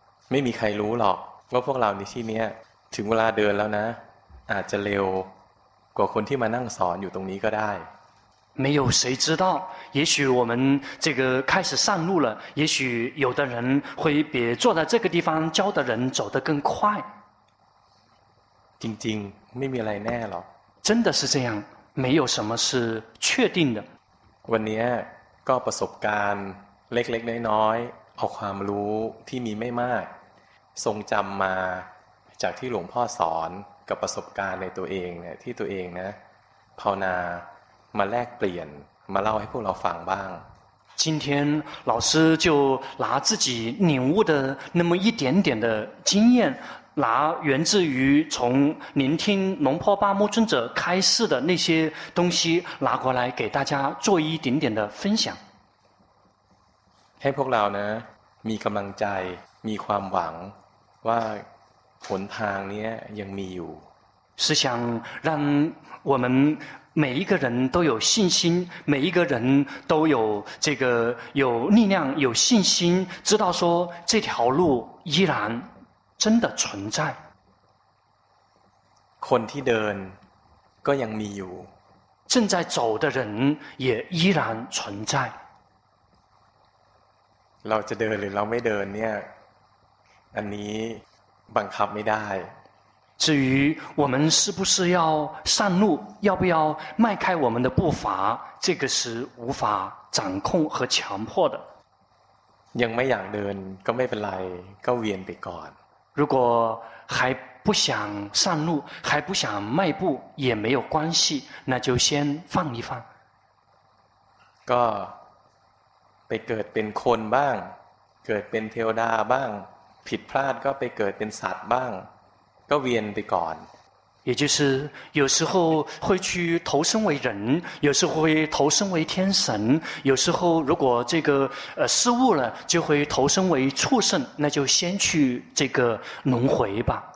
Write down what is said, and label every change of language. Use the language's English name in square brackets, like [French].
[Thai] ไม่มีใครรู้หรอกว่าพวกเราในที่นี้ถึงเวลาเดินแล้วนะอาจจะเร็วกว่าคนที่มานั่งสอนอยู่ตรงนี้ก็ได้ [Chinese] 没有谁知道也许我们这个开始上路了也许有的人会比坐在这个地方教的人走得更快 [Thai] จริงๆไม่มีอะไรแน่หรอก [Chinese] 真的是这样没有什么是确定的 [Thai] วันนี้ก็ประสบการณ์เล็กๆน้อยๆเอาความรู้ที่มีไม่มากทรงจำมาจากที่หลวงพ่อสอนกับประสบการณ์ในตัวเองเนี่ยที่ตัวเองนะภาวนามาแลกเปลี่ยนมาเล่าให้พวกเราฟังบ้าง [Chinese] 今天老师就拿自己领悟的那么一点点的经验拿源自于从聆听龙坡巴木尊者开示的那些东西拿过来给大家做一点点的分享 [Thai] ให้พวกเรานะมีกำลังใจมีความหวังว่าหนทางนี้ยังมีอยู่ [Chinese] 是想让我们每一个人都有信心每一个人都有这个有力量有信心知道说这条路依然真的存在 [Thai] คนที่เดินก็ยังมีอยู่ [Chinese] 正在走的人也依然存在 [Thai] เราจะเดินหรือเราไม่เดินเนี่ยอันนี้บังคับไม่ได้ [Chinese] 至于我们是不是要上路要不要迈开我们的步伐这个是无法掌控和强迫的 [Thai] ยังไม่อยากเดินก็ไม่เป็นไรก็เวียนไปก่อน [Chinese] 如果还不想上路还不想迈步也没有关系那就先放一放 [Thai] ก็ไปเกิดเป็นคนบ้างเกิดเป็นเทวดาบ้างผิดพลาดก็ไปเกิดเป็นสัตว์บ้างก็เวียนไปก่อน [Chinese] 也就是有时候会去投身为人有时候会投身为天神有时候如果这个失误了就会投身为畜生那就先去这个轮回吧